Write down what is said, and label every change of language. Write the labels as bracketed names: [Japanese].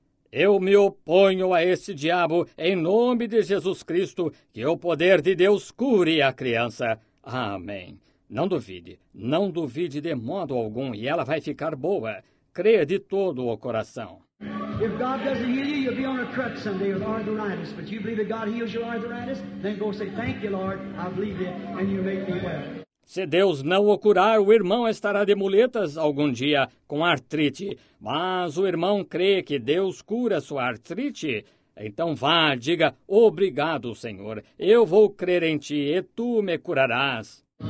[Portuguese] Eu me oponho a esse diabo em nome de Jesus Cristo, que o poder de Deus cure a criança. Amém. Não duvide de modo algum e ela vai ficar boa. Creia de todo o coração. [English] If God doesn't heal you, you'll be on a crutch someday with arthritis. But you believe that God heals your arthritis? Then go say, thank you, Lord, I believe it, and you make me well. [Portuguese] Se Deus não o curar, o irmão estará de muletas algum dia com artrite. Mas o irmão crê que Deus cura sua artrite? Então vá, diga, obrigado, Senhor. Eu vou crer em ti e tu me curarás.